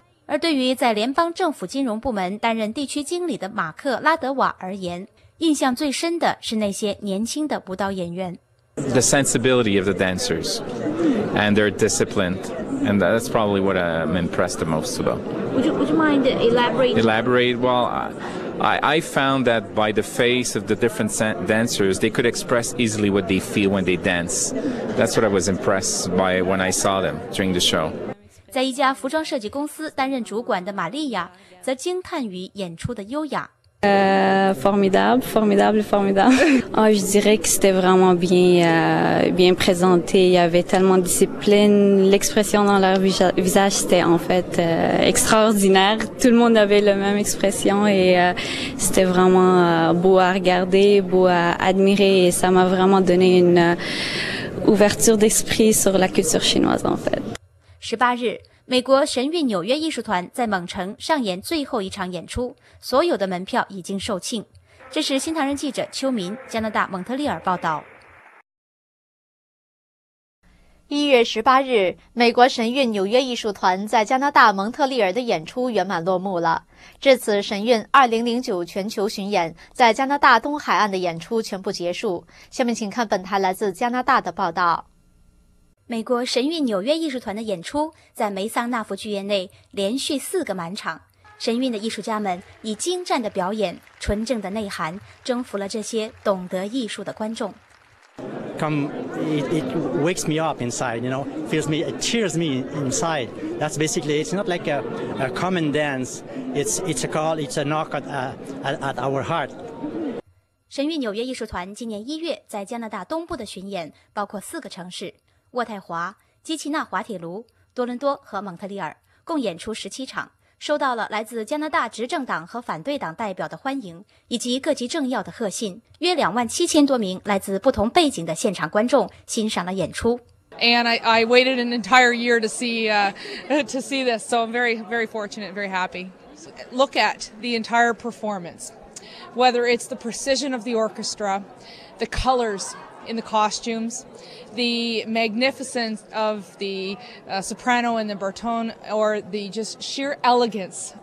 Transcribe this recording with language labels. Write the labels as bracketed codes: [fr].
[zh] 而对于在联邦政府金融部门担任地区经理的马克·拉德瓦而言，印象最深的是那些年轻的舞蹈演员。 [en] The sensibility of the dancers and their discipline, and that's probably what I'm impressed the most about. Would you mind elaborate? Elaborate? Well, I found that by the face of the different dancers, they could express easily what they feel when they dance. That's what I was impressed by when I saw them during the show. [zh] 在一家服装设计公司担任主管的玛利亚则惊叹于演出的优雅。 [fr] Formidable, formidable, formidable. Oh, je dirais que c'était vraiment bien, bien présenté. Il y avait tellement de discipline. L'expression dans leur visage, c'était en fait extraordinaire. Tout le monde avait la même expression et c'était vraiment beau à regarder, beau à admirer. Et ça m'a vraiment donné une ouverture d'esprit sur la culture chinoise, en fait. [zh] 18日美国神韵纽约艺术团在蒙城上演最后一场演出，所有的门票已经售罄。这是新唐人记者邱民，加拿大蒙特利尔报道。 1月18日，美国神韵纽约艺术团在加拿大蒙特利尔的演出圆满落幕了。至此，神韵2009全球巡演在加拿大东海岸的演出全部结束。下面请看本台来自加拿大的报道。美国神韵纽约艺术团的演出在梅桑纳福剧院内连续4个满场，神韵的艺术家们以精湛的表演、纯正的内涵征服了这些懂得艺术的观众。 [en] It wakes me up inside, you know, feels me, it cheers me inside. That's basically, it's not like a common dance. It's a call, it's a knock at our heart. [zh] 神韵纽约艺术团今年1月在加拿大东部的巡演包括4个城市，渥太华、基奇纳滑铁卢、多伦多和蒙特利尔，共演出17场，收到了来自加拿大执政党和反对党代表的欢迎，以及各级政要的贺信。约27000多名来自不同背景的现场观众欣赏了演出。 [en] And I waited an entire year to see this, so I'm very, very fortunate, very happy. Look at the entire performance, whether it's the precision of the orchestra, the colors. In the costumes, the magnificence of the soprano and the baritone, or the just sheer elegance.